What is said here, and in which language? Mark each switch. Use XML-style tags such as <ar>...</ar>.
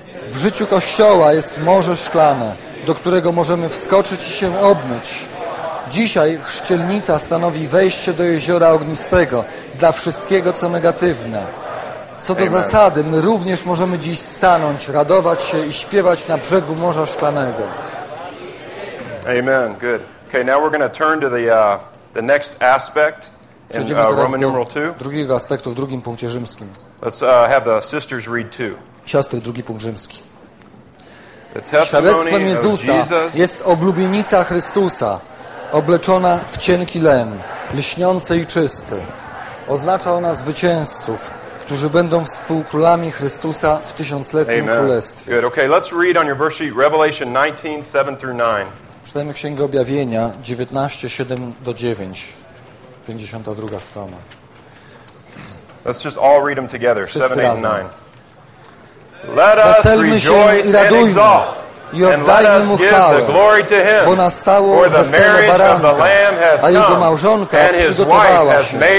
<pl>W życiu Kościoła jest morze szklane, do którego możemy wskoczyć i się obmyć. Dzisiaj chrzcielnica stanowi wejście do jeziora ognistego dla wszystkiego, co negatywne. Co do zasady, my również możemy dziś stanąć, radować się i śpiewać na brzegu Morza Szklanego.</pl> <en>Amen. Good. Okay, now we're going to turn to the next aspect in Roman numeral 2.</en> <pl>Drugiego aspektu w drugim punkcie rzymskim.</pl> <en>Let's have the sisters read 2.</en> <pl>Siostry, drugi punkt rzymski. Świadectwem Jezusa jest oblubienica Chrystusa, obleczona w cienki len, lśniący i czysty. Oznacza ona zwycięzców, którzy będą współkrólami Chrystusa w tysiącletnim królestwie.</pl> <en>Good. Okay, let's read on your verse Revelation 19:7-9.</en> <pl>Czytajmy Księgę Objawienia 19:7-9. 52 strona.</pl> <en>Let's just all read them together. 7, 8, 9. Let us rejoice and exalt.</en> <pl>I oddajmy mu chwałę, bo nastało wesele baranka, a jego małżonka przygotowała się.</pl>